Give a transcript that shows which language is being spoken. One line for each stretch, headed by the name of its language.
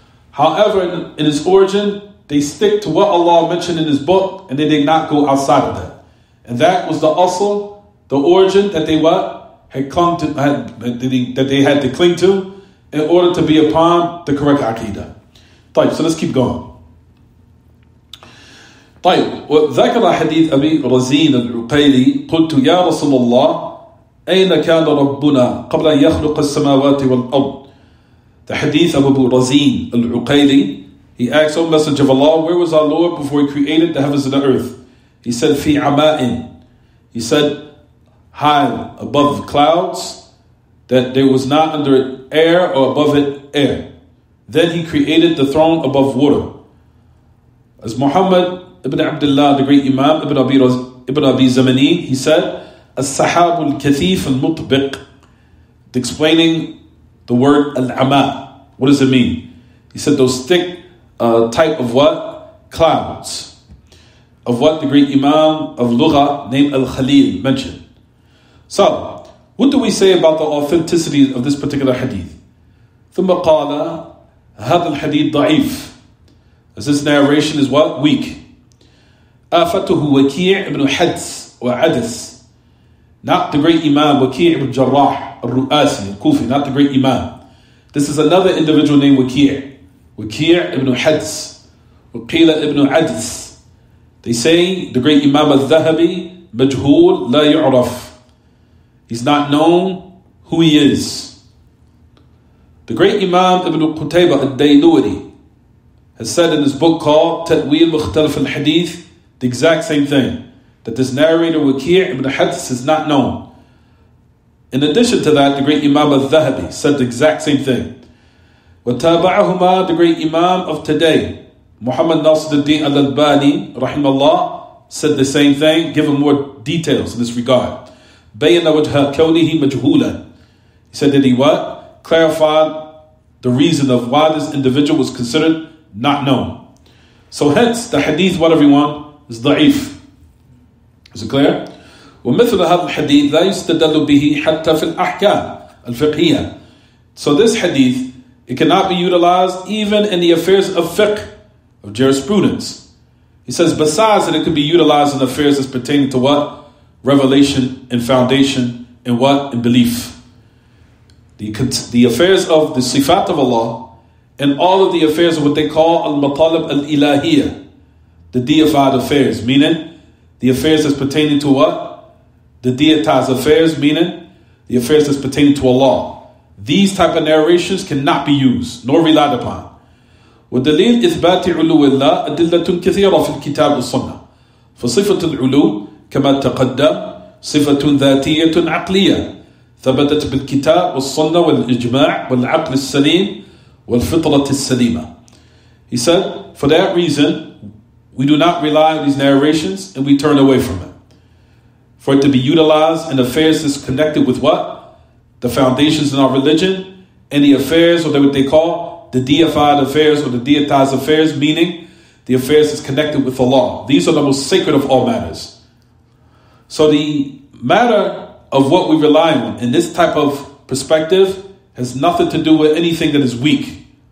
English: However, in its origin, they stick to what Allah mentioned in his book and they did not go outside of that. And that was the usul, the origin that they what? Had clung to, that they had to cling to in order to be upon the correct aqidah.
Arabic: طيب,
English: so let's keep going.
Arabic: طيب, وذكر حديث أبي رزين العقيلي قلت يا رسول الله أين كان ربنا قبل أن يخلق السماوات والأرض.
English: The hadith of Abu Razin al-Uqayli, he asked, O Messenger of Allah, where was our Lord before he created the heavens and the earth? He said, Fi Ama'in. He said, high above clouds, that there was not under it air or above it air. Then he created the throne above water. As Muhammad ibn Abdullah, the great Imam, ibn Abi Zamani, he said,
Arabic: As-Sahab al-Kathif al-Mutbiq,
English: explaining the word al-ama, what does it mean? He said those thick type of what? Clouds. Of what the great Imam of Lugha named Al-Khalil mentioned. So, what do we say about the authenticity of this particular hadith?
Arabic: ثم قال هذا الحديث ضعيف.
English: As this narration is what? Weak.
Arabic: آفته وكيع ابن حدس وعدس.
English: Not the great Imam
Arabic: وكيع ابن جراح الرؤاسي الكوفي.
English: Not the great Imam. This is another individual named Wakir. Wakir ibn Hadz. Waqila ibn Adz. They say the great Imam al-Zahabi,
Arabic: Majhul la yu'raf.
English: He's not known who he is. The great Imam ibn Qutaybah al-Daylawi has said in his book called Tatweel Mukhtalif al-Hadith the exact same thing. That this narrator Wakir ibn Hadz is not known. In addition to that, the great Imam al-Zahabi said the exact same thing.
Arabic: وَتَابَعَهُمَا
English: the great Imam of today, Muhammad Nasiruddin al-Albani, rahimahullah, said the same thing, given more details in this regard.
Arabic: بَيَّنَ وَجْهَا كَوْنِهِ مَجْهُولًا
English: He said that he what? Clarified the reason of why this individual was considered not known. So hence, the hadith, what everyone, is da'if. Is it clear?
Arabic: ومثل هذا الحديث لا يستدل به حتى في الأحكام الفقهية.
English: So this hadith, it cannot be utilized even in the affairs of fiqh, of jurisprudence. He says, besides that it could be utilized in affairs as pertaining to what? Revelation and foundation and what? And belief. The affairs of the sifat of Allah and all of the affairs of what they call al-matalib al-ilahiyya, the deified affairs, meaning the affairs as pertaining to what? The deitized affairs, meaning the affairs that's pertaining to Allah. These type of narrations cannot be used, nor relied upon.
Arabic: وَدَلِيلْ إِثْبَاتِ عُلُوِ اللَّهِ أَدِلَّةٌ كَثِيرًا فِي الْكِتَابِ وَالصُّنَّةِ فَصِفَةُ الْعُلُوِ كَمَا تَقَدَّمْ صِفَةٌ ذَاتِيَةٌ عَقْلِيَّةٌ ثَبَتَتْ بِالْكِتَابِ وَالصُّنَّةِ وَالْإِجْمَاعِ وَالْعَقْلِ السَّلِيمِ وَالْفِطْرَةِ السَّلِيمَةِ
English: He said, for that reason, we do not rely on these narrations and we turn away from it. For it to be utilized in affairs is connected with what? The foundations in our religion, any affairs, or what they call the deified affairs or the deitized affairs, meaning the affairs is connected with Allah. These are the most sacred of all matters. So the matter of what we rely on in this type of perspective has nothing to do with anything that is weak.